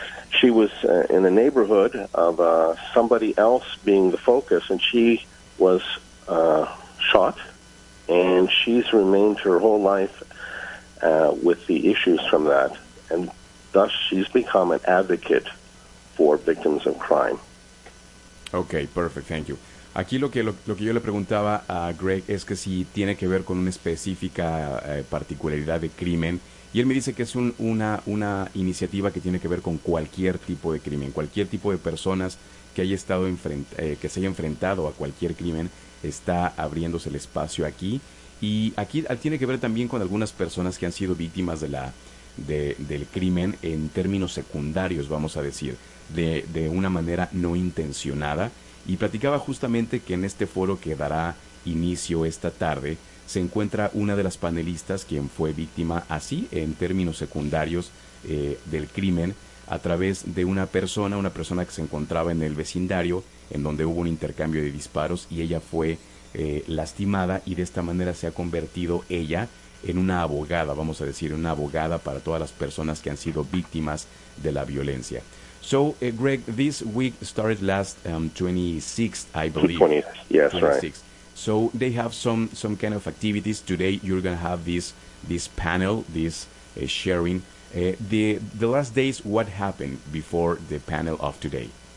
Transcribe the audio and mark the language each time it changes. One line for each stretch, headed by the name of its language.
English: She was in the neighborhood of somebody else being the focus, and she was shot, and she's remained her whole life with the issues from that, and thus she's become an advocate for victims of crime. Okay, perfect, thank you.
Spanish: Aquí lo que yo le preguntaba a Greg es que si tiene que ver con una específica particularidad de crimen, y él me dice que es una iniciativa que tiene que ver con cualquier tipo de crimen, cualquier tipo de personas que haya estado que se haya enfrentado a cualquier crimen. Está abriéndose el espacio aquí, y aquí tiene que ver también con algunas personas que han sido víctimas del crimen en términos secundarios, vamos a decir, de una manera no intencionada. Y platicaba justamente que en este foro que dará inicio esta tarde se encuentra una de las panelistas quien fue víctima así en términos secundarios del crimen a través de una persona que se encontraba en el vecindario en donde hubo un intercambio de disparos y ella fue lastimada, y de esta manera se ha convertido ella en una abogada, vamos a decir, una abogada para todas las personas que han sido víctimas de la violencia.
English: So, Greg, this week started last 26th, I believe. 20th, yes, 26th. Right. So they have some kind of activities. Today you're going to have this panel, this sharing. The last days, what happened before the panel of today?